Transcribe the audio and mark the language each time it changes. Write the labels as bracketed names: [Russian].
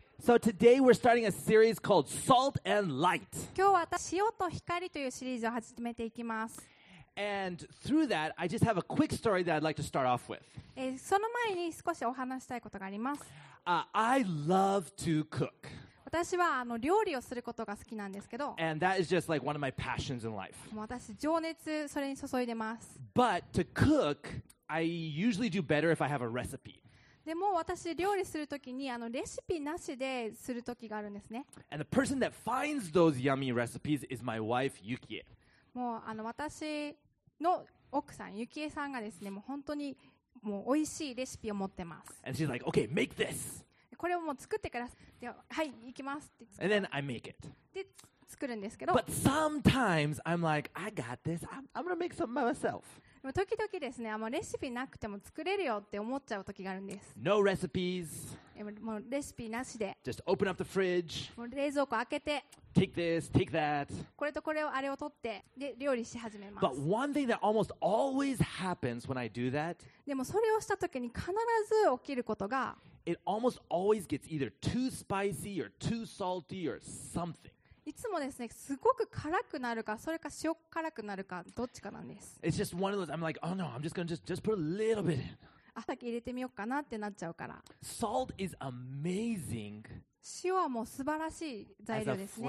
[English] So today we're starting a series called Salt and Light. [Japanese] 今日は私、塩と光というシリーズを始めていきます。 [English] And through that, I just have a quick story that I'd like to start off with. [Japanese] その前に少しお話したいことがあります。 [English] I love to cook. [Japanese] 私は料理をすることが好きなんですけど。 [English] And that is just like one of my passions in life. [Japanese] 私、情熱それに注いでます。 [English] But to cook, I usually do better if I have a recipe. [Japanese] でも私料理するときにレシピなしでするときがあるんですね。 [English] And the person that finds those yummy recipes is my wife, Yukie. [Japanese] もう私の奥さん、ユキエさんがですね、もう本当にもう美味しいレシピを持ってます。 [English] And she's like, okay, make this! [Japanese] これをもう作ってください。はい、行きますって。 [English] And then I make it. [Japanese] で、作るんですけど。 [English] But sometimes I'm like, I got this. I'm gonna make something by myself. [Japanese] 時々ですね、レシピなくても作れるよって思っちゃう時があるんです。 [English] No recipes. [Japanese] もうレシピなしで。 [English] Just open up the fridge. [Japanese] もう冷蔵庫開けて。 [English] Take this, take that. [Japanese] これとこれをあれを取って、で、料理し始めます。 [English] But one thing that almost always happens when I do that. [Japanese] でもそれをした時に必ず起きることが。 [English] It almost always gets either too spicy or too salty or something. [Japanese] いつもですね、すごく辛くなるか、それか塩辛くなるか、どっちかなんです。 [English] It's just one of those. I'm like, oh no, I'm just gonna just put a little bit in. [Japanese] あ、先入れてみようかなってなっちゃうから。 [English] Salt is amazing. [Japanese] 塩はもう素晴らしい材料ですね。